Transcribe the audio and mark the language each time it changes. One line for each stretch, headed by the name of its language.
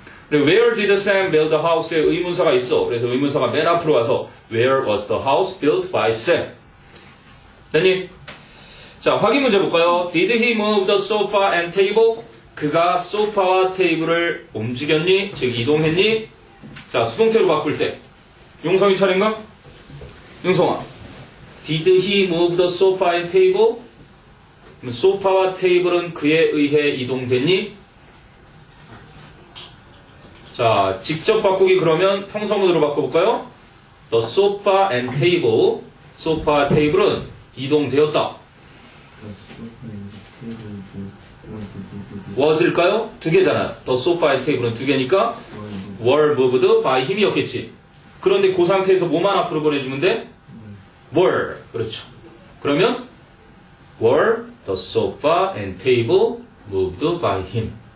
English: Where did Sam build the house?
Korean: 의문사가 있어. 그래서 의문사가 맨 앞으로 와서
English: Where was the house built by Sam?
Korean: 대님, 자 확인 문제 볼까요?
English: Did he move the sofa and table?
Korean: 그가 소파와 테이블을 움직였니? 즉 이동했니? 자 수동태로 바꿀 때 융성이 차례인가?
English: 융성아, Did he move the sofa and table?
Korean: 소파와 테이블은 그에 의해 이동됐니? 자, 직접 바꾸기 그러면 평소문으로 바꿔볼까요?
English: The sofa and table, sofa, table은
Korean: 이동되었다. was일까요? 두 개잖아. The sofa and table은 두 개니까
English: were moved by
Korean: 힘이었겠지. 그런데 그 상태에서 뭐만 앞으로 보내주면 돼? were, 그렇죠. 그러면
English: were the sofa and table moved by him.